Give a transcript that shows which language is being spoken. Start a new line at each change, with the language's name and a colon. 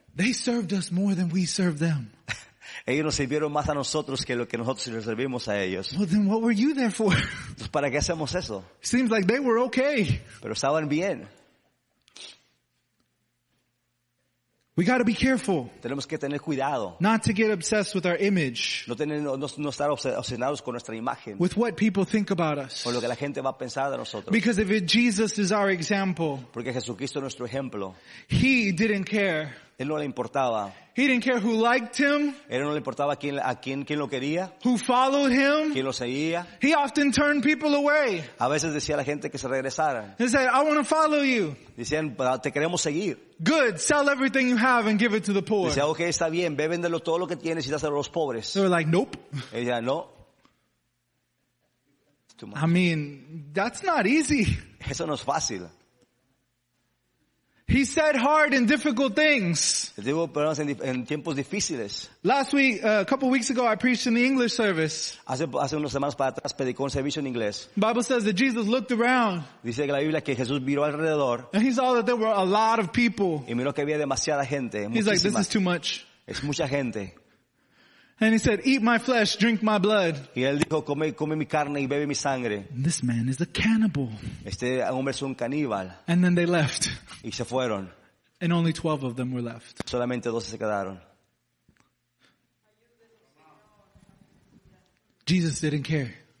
English: they served us more than we served them.
Spanish: Ellos nos sirvieron más a nosotros que lo que nosotros les servimos a ellos.
English: Well, then what were you there for?
Spanish: Pues para qué hacemos eso?
English: Seems like they were okay.
Spanish: Pero estaban bien.
English: We got to be careful.
Spanish: Tenemos que tener cuidado.
English: Not to get obsessed with our image.
Spanish: No estar obsesionados con nuestra imagen.
English: With what people think about us.
Spanish: O lo que la gente va a pensar de nosotros.
English: Because if Jesus is our example.
Spanish: Porque Jesucristo es nuestro ejemplo.
English: He didn't care.
Spanish: Él no le importaba.
English: He didn't care who liked him.
Spanish: Él no le importaba a quién lo quería.
English: Who followed him.
Spanish: Quién lo seguía.
English: He often turned people away.
Spanish: A veces decía a la gente que se regresaran.
English: He said, "I want to follow you."
Spanish: Decían, te queremos seguir.
English: Good, sell everything you have and give it to the poor.
Spanish: Decía, okay, está bien, ve, véndelo todo lo que tienes y dáselo a los pobres.
English: They were like, nope.
Spanish: Ella, no.
English: too much. I mean, that's not easy.
Spanish: Eso no es fácil.
English: He said hard and difficult things. Last week, a couple weeks ago, I preached in the English service.
Spanish: Hace unas semanas para atrás predicó un servicio en inglés.
English: Bible says that Jesus looked around.
Spanish: Dice que la Biblia que Jesús miró alrededor.
English: And he saw that there were a lot of people.
Spanish: Y miró que había demasiada gente.
English: He's like, this is too much.
Spanish: Es mucha gente.
English: And he said, eat my flesh, drink my blood.
Spanish: Y él dijo, come mi carne y bebe mi sangre.
English: This man is a cannibal.
Spanish: Este hombre es un caníbal.
English: And then they left.
Spanish: Y se fueron.
English: And only 12 of them were left.
Spanish: Solamente 12 se quedaron.
English: Jesus didn't care.